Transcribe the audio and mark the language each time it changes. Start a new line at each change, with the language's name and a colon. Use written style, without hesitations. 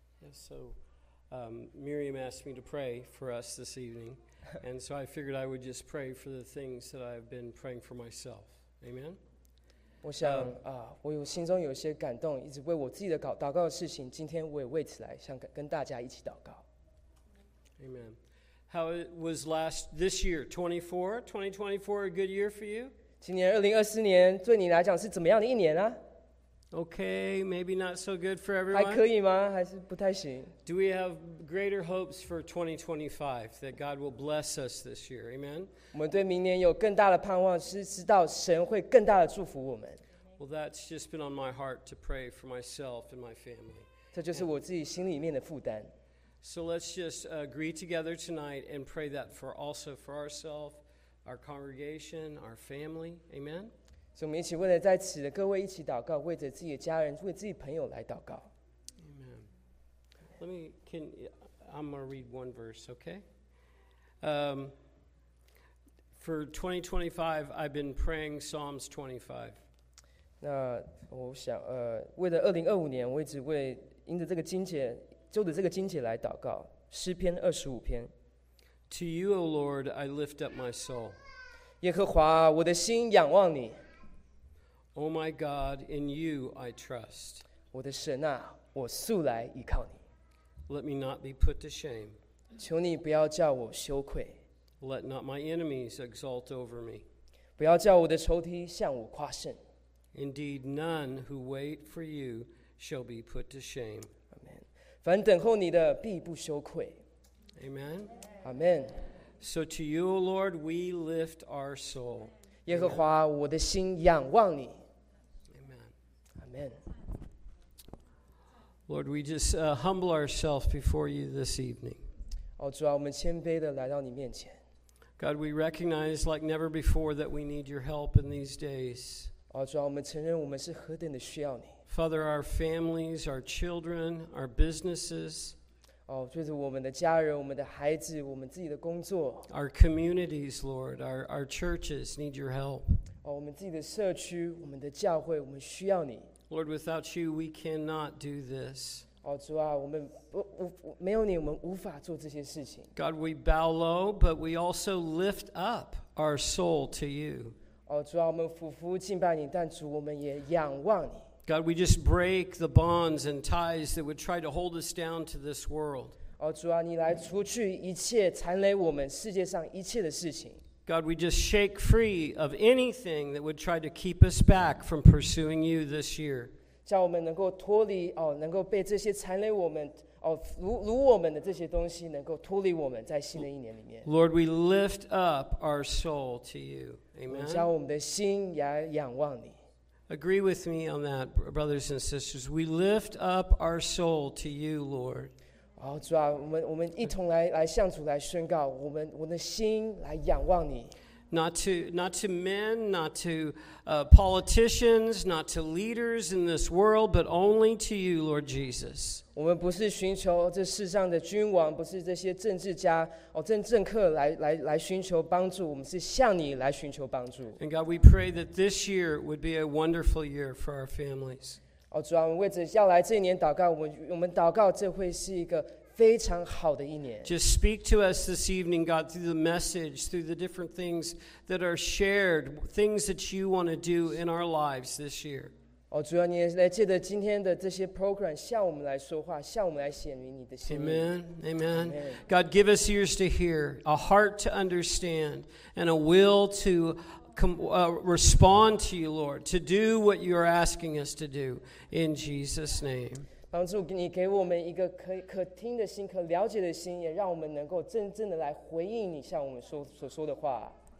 English: So Miriam asked me to pray for us this evening, and so I figured I would just pray for the things that I've been praying for myself. Amen.
Chinese: 我想啊，我有心中有些感动，一直为我自己的祷告的事情，今天我也为此来想跟大家一起祷告。
English: Amen. How was this year 24? 2024 a good year for you?
Chinese: 今年2024年对你来讲是怎么样的一年啊？
English: Okay, maybe not so good for everyone.
Chinese: 还可以吗？还是不太行。
English: Do we have greater hopes for 2025 that God will bless us this year? Amen.
Chinese: 我们对明年有更大的盼望，是知道神会更大的祝福我们。
English: Well, that's just been on my heart to pray for myself and my family.
Chinese: 这就是我自己心里面的负担。
English: So let's just agree together tonight and pray that for ourselves, our congregation, our family. Amen.
Chinese: 所以我们一起为了在此的各位一起祷告，为着自己的家人，为自己朋友来祷告。
English: Amen. I'm gonna read one verse, okay? For 2025, I've been praying Psalms 25.
Chinese: 那我想，为了2025年，我一直为因着这个经节，就着这个经节来祷告，诗篇25篇。
English: To you, O Lord, I lift up my soul.
Chinese: 耶和华，我的心仰望你。
English: Oh my God, in you I trust.
Chinese: 我的神啊，我素来依靠你。
English: Let me not be put to shame.
Chinese: 求你不要叫我羞愧。
English: Let not my enemies exult over me.
Chinese: 不要叫我的仇敌向我夸胜。
English: Indeed, none who wait for you shall be put to shame.
Chinese: Amen. 凡等候你的必不羞愧。
English: Amen. Amen. So to you, O Lord, we lift our soul.
Chinese: 耶和华，我的心仰望你。
English: Amen. Amen. Lord, we just humble ourselves before you this evening.
Chinese: 哦，主啊，我们谦卑的来到你面前。
English: God, we recognize like never before that we need your help in these days.
Chinese: 哦，主啊，我们承认我们是何等的需要你。
English: Father, our families, our children, our businesses.
Chinese: 哦，就是我们的家人，我们的孩子，我们自己的工作。
English: Our communities, Lord, our churches need your help.
Chinese: 哦，我们自己的社区，我们的教会，我们需要你。
English: Lord, without you, we cannot do this.
Chinese: 哦，主啊，我们没有你，我们无法做这些事情。
English: God, we bow low, but we also lift up our soul to you.
Chinese: 哦，主啊，我们俯伏敬拜你，但主，我们也仰望你。
English: God, we just break the bonds and ties that would try to hold us down to this world.
Chinese: 哦，主啊，你来除去一切缠累我们世界上一切的事情。
English: God, we just shake free of anything that would try to keep us back from pursuing you this year.
Chinese: 叫我们能够脱离哦，能够被这些缠累我们哦，掳我们的这些东西能够脱离我们在新的一年里面。
English: Lord, we lift up our soul to you. Amen.
Chinese: 叫我们的心来仰望你。
English: Agree with me on that, brothers and sisters. We lift up our soul to you, Lord.
Chinese: Oh, 主啊，我们一同来向主来宣告，我的心来仰望你。
English: Not to men, not to politicians, not to leaders in this world, but only to you, Lord Jesus.
Chinese: 我们不是寻求这世上的君王，不是这些政治家哦，政客来寻求帮助，我们是向你来寻求帮助。
English: And God, we pray that this year would be a wonderful year for our families.
Chinese: 哦，主啊，我们为着要来这一年祷告，我们祷告这会是一个非常好的一年。
English: Just speak to us this evening, God, through the message, through the different things that are shared, things that you want to do in our lives this year.
Chinese: 哦，主要你也来借着今天的这些 program 向我们来说话，向我们来显明你的心意。
English: Amen, amen. Amen. God, give us ears to hear, a heart to understand, and a will to respond to you, Lord, to do what you are asking us to do. In Jesus' name.
Chinese: 帮助你给我们一个可听的心，可了解的心，也让我们能够真正的来回应你向我们所说的话。